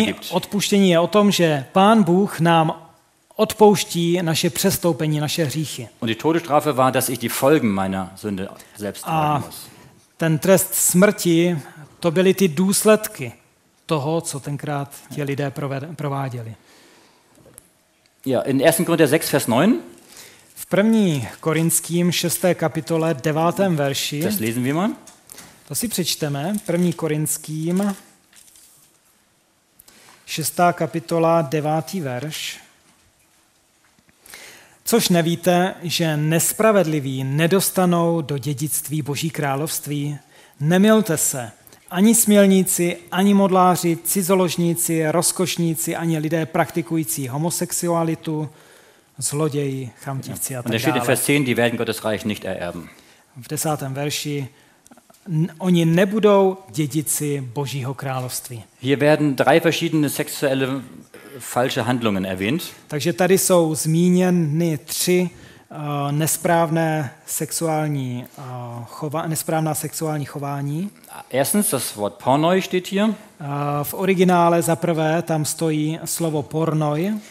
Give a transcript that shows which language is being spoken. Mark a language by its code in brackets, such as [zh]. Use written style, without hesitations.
[cs] Odpuštění je o tom, že Pán Bůh nám odpouští naše přestoupení, naše hříchy. [de] Und die Todesstrafe war, dass ich die Folgen meiner Sünde selbst tragen muss. [cs] Ten trest smrti, to byly ty důsledky toho, co tenkrát ti lidé prováděli. [de] Ja, in 1. Korinther 6, Vers 9. [cs] V 1. Korinským 6. kapitole 9. verši. [de] Das lesen wir mal. [cs] To si přečteme. 1. Korinským 6. kapitola 9. verš. Což nevíte, že nespravedliví nedostanou do dědictví Boží království? Nemylte se, ani smělníci, ani modláři, cizoložníci, rozkošníci, ani lidé praktikující homosexualitu, zloději, chamtivci a tak dále. [de] Die werden Gottes Reich nicht ererben. [cs] V 10. verši oni nebudou dědici Božího království. [de] Hier werden drei verschiedene sexuelle falsche Handlungen erwähnt. [cs] Takže tady jsou zmíněny tři nesprávné sexuální nesprávná sexuální chování. [de] Erstens das Wort Pornoi steht hier. [cs] V originále za prvé tam stojí slovo Pornoi.